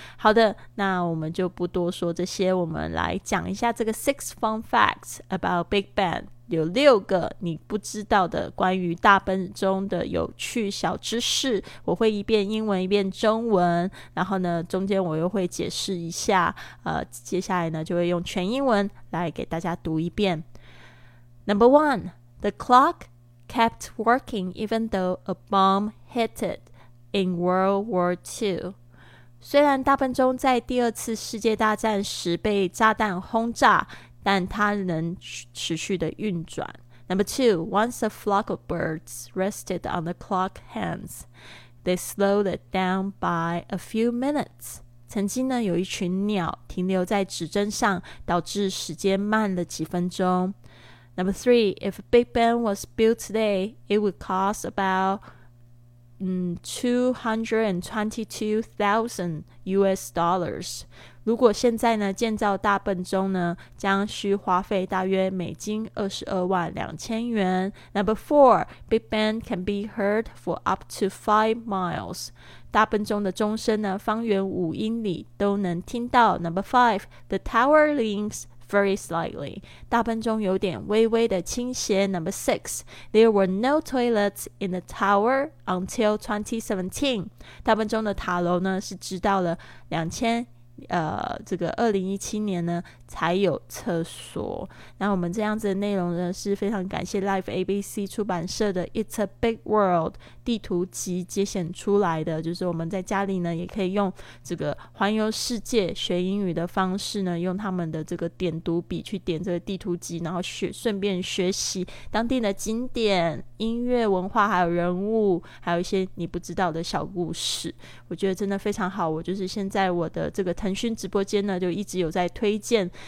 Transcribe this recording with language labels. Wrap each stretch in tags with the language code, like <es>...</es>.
<zh>好的，那我们就不多说这些，我们来讲一下这个</zh> <en>6 fun facts about Big Ben，</en> <zh>有六个你不知道的关于大笨钟的有趣小知识，我会一遍英文一遍中文，然后呢中间我又会解释一下，接下来呢就会用全英文来给大家读一遍。</zh> <en>Number one, the clock kept working even though a bomb hit it in World War II.</en> <zh>虽然大笨钟在第二次世界大战时被炸弹轰炸，但它能持续的运转。</zh> <en>Number two, once a flock of birds rested on the clock hands, they slowed it down by a few minutes.</en> <zh>曾经呢有一群鸟停留在指针上，导致时间慢了几分钟。</zh> <en>Number three, if Big Ben was built today, it would cost about $222,000.</en> <zh>如果现在呢建造大笨钟呢，将需花费大约$222,000。</zh> <en>Number four, Big Ben can be heard for up to 5 miles.</en> <zh>大笨钟的钟声呢方圆5英里都能听到。</zh> <en>Number five, the tower leans very slightly.</en> <zh>大笨钟有点微微的倾斜。</zh> <en>Number six, there were no toilets in the tower until 2017.</en> <zh>大笨钟的塔楼呢是直到了2017年呢才有厕所。那我们这样子的内容呢是非常感谢 Life ABC 出版社的 It's a Big World 地图集节选出来的，就是我们在家里呢也可以用这个环游世界学英语的方式呢，用他们的这个点读笔去点这个地图集，然后顺便学习当地的景点、音乐、文化还有人物，还有一些你不知道的小故事，我觉得真的非常好。我就是现在我的这个腾讯直播间呢就一直有在推荐</zh>